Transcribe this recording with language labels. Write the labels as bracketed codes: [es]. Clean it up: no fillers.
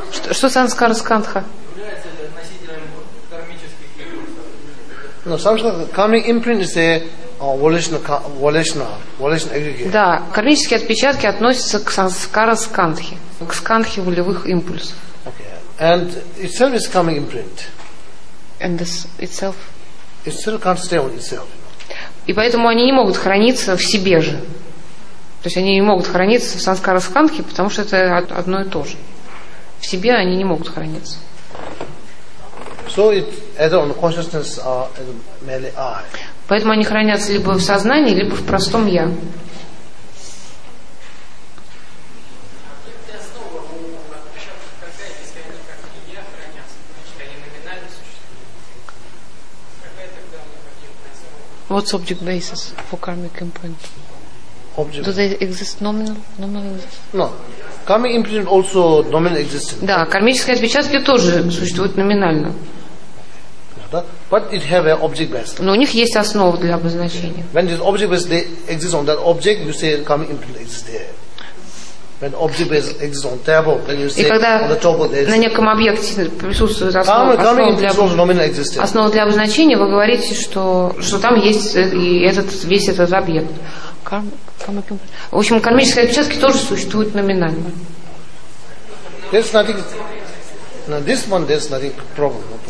[ru] Что санскара скандха? [en] No, санскара karmic imprint is a volitional aggregate. [ru] Да, кармические отпечатки относятся к санскара скандхе, к скандхе волевых импульсов. [en] Okay. And itself is karmic imprint. And this itself. It still can't stay on itself. [ru] И поэтому они не могут храниться в себе же. То есть они не могут храниться в санскара скандхе, потому что это одно и то же. В себе они не могут храниться. [en] So it, either on consciousness or merely I. [ru] Поэтому они хранятся либо в сознании, либо в простом я. [en] What's object basis for karmic imprint? Object. Do they exist nominal exist? No. Karmic imprint also nominal existence. [ru] Да, кармические отпечатки тоже существуют номинально. [en] But it have a object base. [ru] Но у них есть основа для обозначения. [en] When this object base exists on that object, you say karmic imprint exists there. When object is exists on table, when you see on the top of the [ru] на неком объекте присутствует основа для обозначения, вы говорите, что, что там есть и этот, весь этот объект. В общем, кармические отпечатки тоже существуют номинально. [en] There's nothing. Now this one, there's nothing problem.